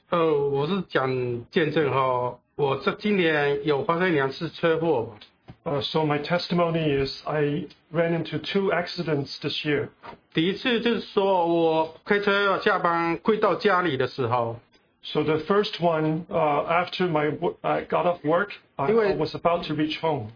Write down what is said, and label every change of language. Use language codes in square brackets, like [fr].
[zh] 我是讲见证，我这今年有发生两次车祸。 [en] So my testimony is I ran into two accidents this year. [zh] 第一次就是说我开车下班回到家里的时候。 [en] So the first one, after my I got off work, I was about to reach home.